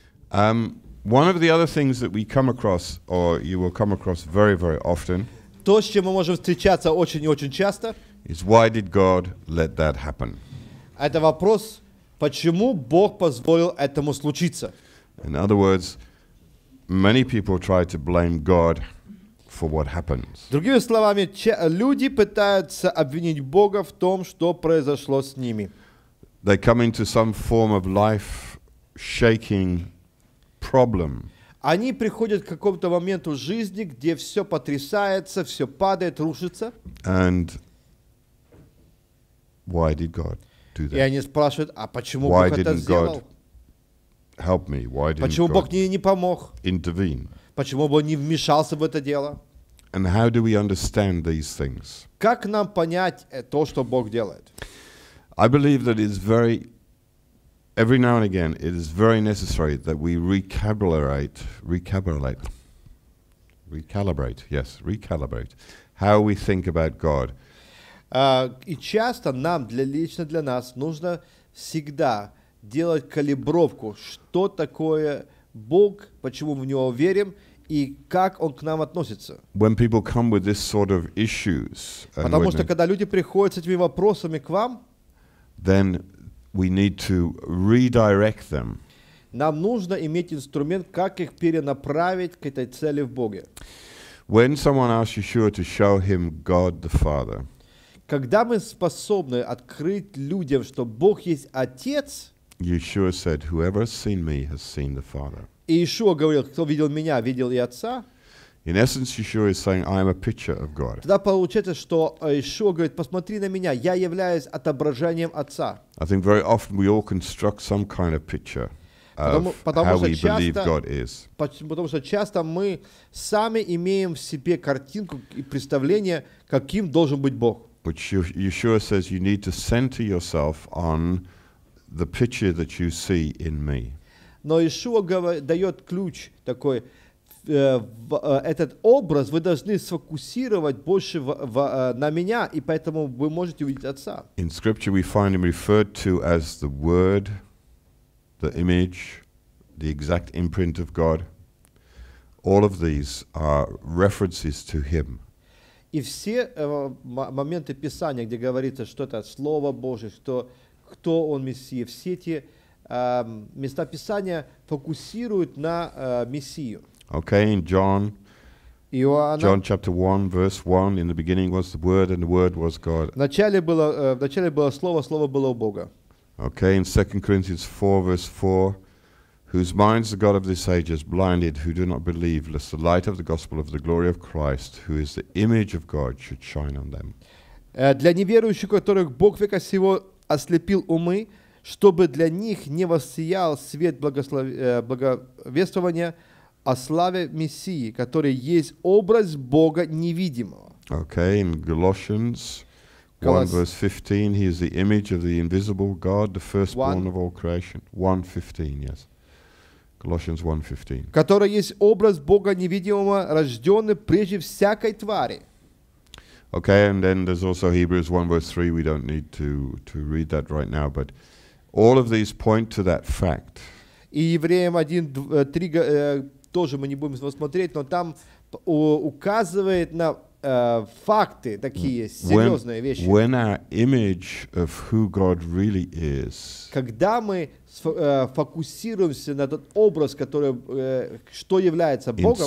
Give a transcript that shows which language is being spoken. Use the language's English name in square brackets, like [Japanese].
[English] One of the other things that we come across, or you will come across very, very often, [Russian] то, с чем мы можем встречаться очень и очень часто, [English] is why did God let that happen? [Russian] Это вопрос, почему Бог позволил этому случиться. [English] In other words, many people try to blame God for what happens. [Russian] Другими словами, люди пытаются обвинить Бога в том, что произошло с ними. [English] They come into some form of life-shaking problem. [Russian] Они приходят к какому-то моменту жизни, где все потрясается, все падает, рушится. [English] And why did God do that? [Russian] И они спрашивают, а почему Бог это сделал? [English] God help me? Why didn't [Russian] почему [English] God [Russian] Бог не помог? [English] Intervene? [Russian] Почему Бог не вмешался в это дело? [English] And how do we understand these things? [Russian] Как нам понять то, что Бог делает? [English] I believe that it's very every now and again, it is very necessary that we recalibrate how we think about God. [Russian] И часто нам, лично для нас, нужно всегда делать калибровку, что такое Бог, почему в Него верим, и как Он к нам относится. [English] When people come with this sort of issues, [Russian] потому что когда люди приходят с этими вопросами к вам, [English] then we need to redirect them. [Russian] Нам нужно иметь инструмент, как их перенаправить к этой цели в Боге. [English] When someone asks Yeshua to show him God the Father, [Russian] когда мы способны открыть людям, что Бог есть Отец, [English] Yeshua said, "Whoever has seen me has seen the Father." [Russian] И Иешуа говорил, кто видел меня, видел и Отца. [English] In essence, Yeshua is saying, "I am a picture of God." [Russian] Тогда получается, что Иешуа говорит: "Посмотри на меня, я являюсь отображением Отца." [English] I think very often we all construct some kind of picture of how we believe God is. [Russian] Потому что часто мы сами имеем в себе картинку и представление, каким должен быть Бог. [English] But Yeshua says you need to center yourself on the picture that you see in me. [Russian] Но Иешуа дает ключ такой. Этот образ вы должны сфокусировать больше на меня, и поэтому вы можете увидеть Отца. [English] In Scripture we find him referred to as the Word, the image, the exact imprint of God. All of these are references to him. [Russian] И все моменты Писания, где говорится, что это Слово Божие, кто Он Мессия, все эти места Писания фокусируют на Мессию. [English] Okay, in John, [Russian] Иоанна, [English] John chapter 1, verse 1, in the beginning was the Word, and the Word was God. [Russian] В начале было Слово, Слово было у Бога. [English] Okay, in 2 Corinthians 4, verse 4, whose minds the God of this age has blinded, who do not believe, lest the light of the gospel of the glory of Christ, who is the image of God, should shine on them. [Russian] Для неверующих, которых Бог века сего ослепил умы, чтобы для них не воссиял свет благовествования, о славе Мессии, который есть образ Бога невидимого. [English] Okay, in Colossians 1, verse 15, he is the image of the invisible God, the firstborn of all creation. 1:15, yes. Colossians 1:15. [Russian] Который есть образ Бога невидимого, рожденный прежде всякой твари. [English] Okay, and then there's also Hebrews 1, verse 3. We don't need to read that right now, but all of these point to that fact. [Russian] И Евреям 1:3 тоже мы не будем его смотреть, но там указывает на факты такие серьезные [English] when, [Russian] вещи. [English] When our image of who God really is, [Russian] когда мы фокусируемся на тот образ, который что является Богом,